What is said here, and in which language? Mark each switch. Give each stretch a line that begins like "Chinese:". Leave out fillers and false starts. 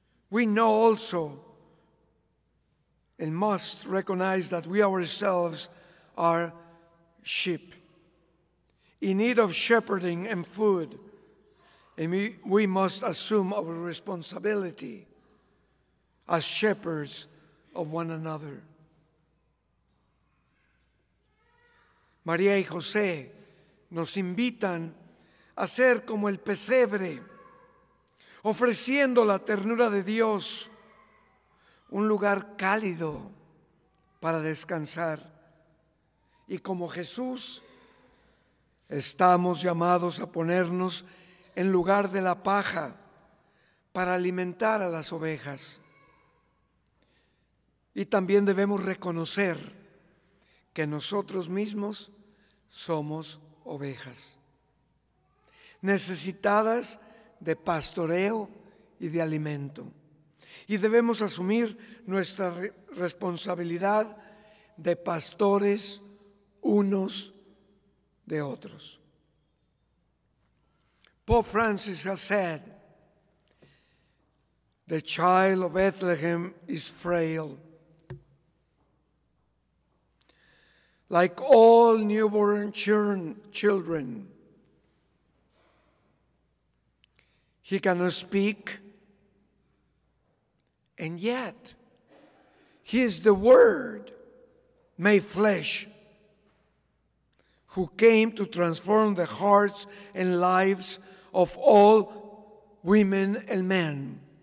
English: We know also and must recognize that we ourselves are sheep in need of shepherding and food, and we must assume our responsibility as shepherds of one another.
Spanish: María y José nos invitan a ser como el pesebre, ofreciendo la ternura de Dios, un lugar cálido para descansar. Y como Jesús, estamos llamados a ponernos en lugar de la paja para alimentar a las ovejas. Y también debemos reconocer que nosotros mismos somos ovejas, necesitadas de pastoreo y de alimento. Y debemos asumir nuestra responsabilidad de pastores unos de otros.
English: Pope Francis has said, "The child of Bethlehem is frail. Like all newborn children, he cannot speak, and yet he is the Word made flesh who came to transform the hearts and lives of all women and men.